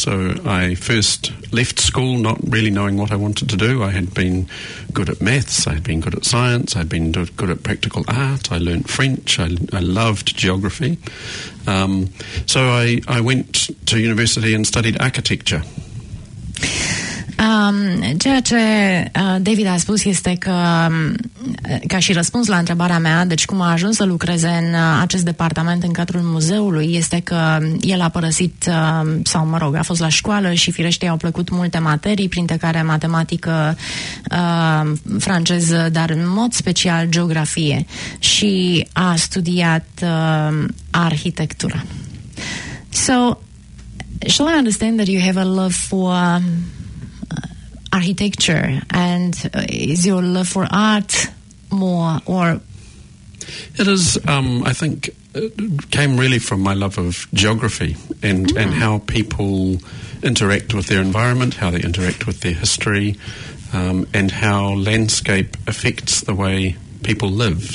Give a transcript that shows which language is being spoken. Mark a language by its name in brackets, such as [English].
[English] So I first left school not really knowing what I wanted to do. I had been good at maths, I had been good at science, I had been good at practical art, I learnt French, I loved geography. So I went to university and studied architecture. [Romanian] Ceea ce David a spus este că, ca și răspuns la întrebarea mea, deci cum a ajuns să lucreze în acest departament în cadrul muzeului, este că el a părăsit, sau mă rog, a fost la școală și firește i-au plăcut multe materii, printre care matematică, franceză, dar în mod special geografie, și a studiat arhitectura. [English] So, shall I understand that you have a love for architecture, and is your love for art more, or it is I think it came really from my love of geography and how people interact with their environment, how they interact with their history, and how landscape affects the way people live.